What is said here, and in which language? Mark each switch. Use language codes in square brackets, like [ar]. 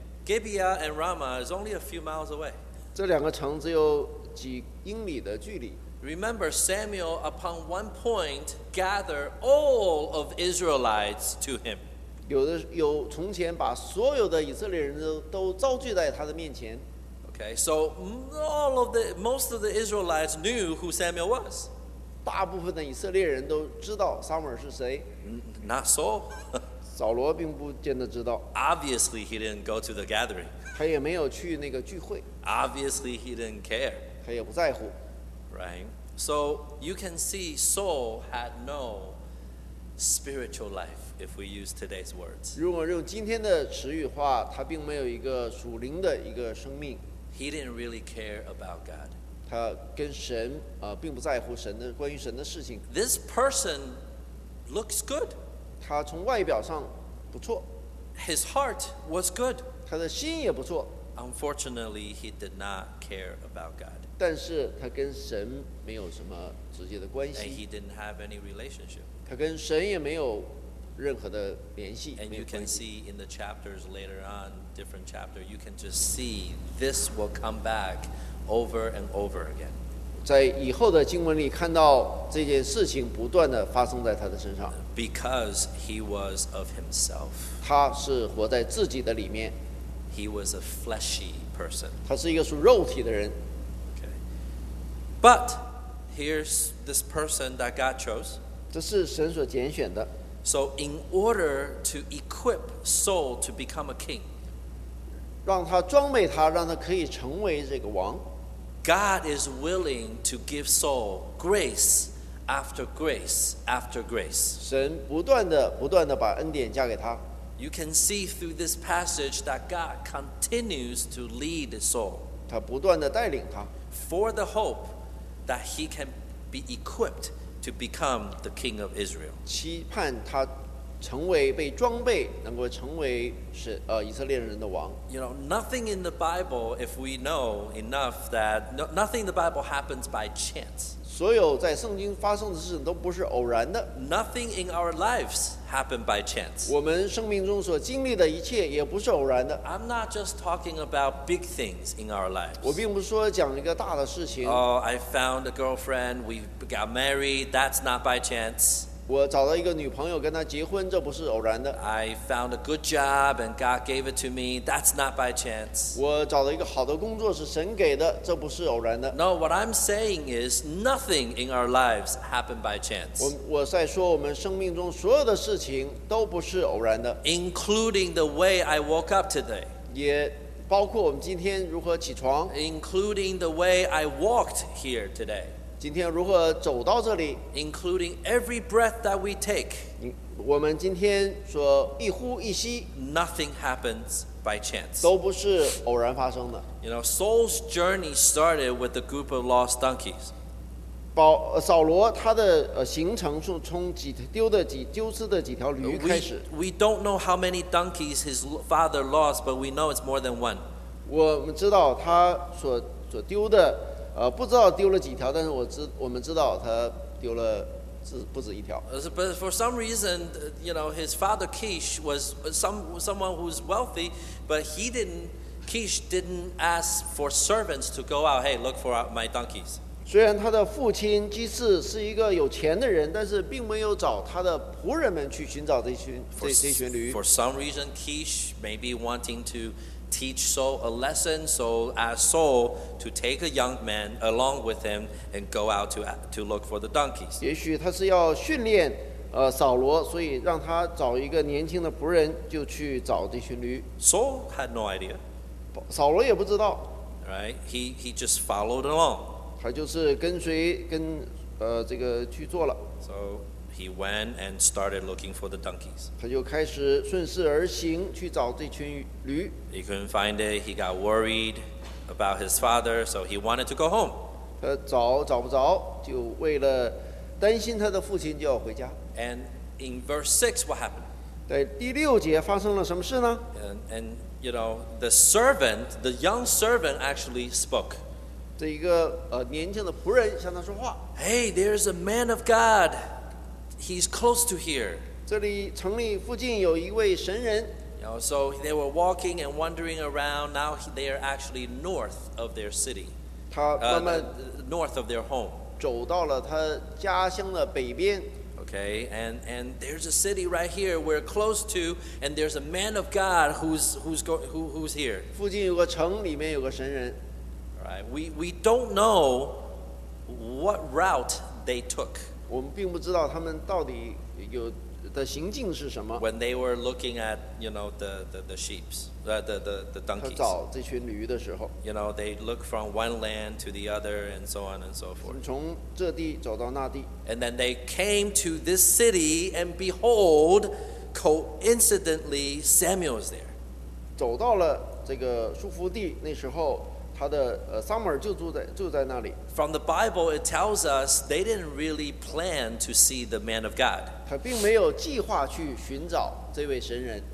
[en] Gibeah and Ramah is only a few miles away. [zh] 这两个城只有几英里的距离。 [en] Remember, Samuel upon one point gathered all of Israelites to him. [zh] 有从前把所有的以色列人都召聚在他的面前。 [en] Okay, so most of the Israelites knew who Samuel was. [zh] 大部分的以色列人都知道撒母耳是谁。 [en] Not Saul. [zh] 扫罗并不见得知道。 [en] Obviously, he didn't go to the gathering. [zh] 他也没有去那个聚会。 [en] Obviously, he didn't care. [zh] 他也不在乎。 [en] Right. So you can see Saul had no spiritual life, if we use today's words. [zh] 如果用今天的词语话，他并没有一个属灵的一个生命。 [en] He didn't really care about God. [zh] 他跟神并不在乎神的关于神的事情。 [en] This person looks good. [zh] 他从外表上不错。 [en] His heart was good. [zh] 他的心也不错。 [en] Unfortunately, he did not care about God. [zh] 但是他跟神没有什么直接的关系。 [en] And he didn't have any relationship. [zh] 他跟神也没有任何的联系。 [en] And you can see in the chapters later on, different chapter, you can just see this will come back over and over again. [zh] 在以后的经文里看到这件事情不断地发生在他的身上。 [en] Because he was of himself. [zh] 他是活在自己的里面。 [en] He was a fleshy person. [zh] 他是一个属肉体的人。 [en] Okay. But here's this person that God chose. [zh] 这是神所拣选的。 [en] So in order to equip Saul to become a king, [zh] 让他装备他，让他可以成为这个王。 [en] God is willing to give Saul grace after grace after grace. [zh] 神不断的把恩典加给他。 [en] You can see through this passage that God continues to lead Saul. [zh] 他不断的带领他。 [en] For the hope that he can be equipped to become the king of Israel. [zh] 期盼他成为被装备，能够成为是以色列人的王。 [en] You know, nothing in the Bible, if we know enough that nothing in the Bible happens by chance. [zh] 所有在圣经发生的事都不是偶然的。 [en] Nothing in our lives happened by chance. [zh] 我们生命中所经历的一切也不是偶然的。 [en] I'm not just talking about big things in our lives. [zh] 我并不是说讲一个大的事情。 [en] Oh, I found a girlfriend, we got married, that's not by chance. [zh] 我找到一个女朋友跟她结婚，这不是偶然的。 [en] I found a good job and God gave it to me. That's not by chance. [zh] 我找到一个好的工作是神给的，这不是偶然的。 [en] No, what I'm saying is nothing in our lives happened by chance. [zh] 我在说我们生命中所有的事情都不是偶然的。 [en] Including the way I woke up today. [zh] 也包括我们今天如何起床。 [en] Including the way I walked here today. [zh] 今天如何走到这里 [en] ？Including every breath that we take， [zh] 我们今天所一呼一吸 [en] ，Nothing happens by chance， [zh] 都不是偶然发生的。 [en] You know, Saul's journey started with a group of lost donkeys。 [zh] 扫罗他的行程是从丢失的几条驴开始。 [en] We don't know how many donkeys his father lost, but we know it's more than one。 [zh] 我们知道他所丢的。不知道丢了几条，但是我们知道他丢了不止一条。 [en] But for some reason, you know, his father Kish was someone who's wealthy, but Kish didn't ask for servants to go out. Hey, look for my donkeys. [zh] 虽然他的父亲基士是一个有钱的人，但是并没有找他的仆人们去寻找这群驴。 [en] For some reason, Kish maybe wanting to. Teach Saul a lesson, so ask Saul to take a young man along with him and go out to look for the donkeys. [zh] 也许他是要训练，扫罗，所以让他找一个年轻的仆人，就去找这群驴。 [en] Saul had no idea. [zh] 扫罗也不知道。 [en] Right, he just followed along. [zh] 他就是跟这个去做了。 [en] So. He went and started looking for the donkeys. [zh] 他就开始顺势而行去找这群驴。 [en] He couldn't find it. He got worried about his father, so he wanted to go home. [zh] 他找不着，就为了担心他的父亲，就要回家。 [en] And in verse 6, what happened? [zh] 在第六节发生了什么事呢？ [en] And you know, the young servant actually spoke. [zh] 这一个年轻的仆人向他说话。 [en] Hey, there's a man of God. He's close to here. [zh] 这里城里附近有一位神人。 [en] You know, so they were walking and wandering around. Now they are actually north of their city. [zh] 他慢慢 [en] north of their home. [zh] 走到了他家乡的北边。 [en] Okay, and there's a city right here we're close to, and there's a man of God who's here. [zh] 附近有个城，里面有个神人。 [en] All right, we don't know what route. they took. [zh] 我们并不知道他们到底有的行径是什么。 [en] When they were looking at, you know, the sheep, the donkeys. [zh] 他找这群驴的时候。 [en] You know, they look from one land to the other, and so on and so forth. [zh] 从这地走到那地。 [en] And then they came to this city, and behold, coincidentally, Samuel is there. [zh] 走到了这个束缚地，那时候。他的撒母耳就在那里。 [en] From the Bible, it tells us they didn't really plan to see the man of God. [zh] 他并没有计划去寻找这位神人。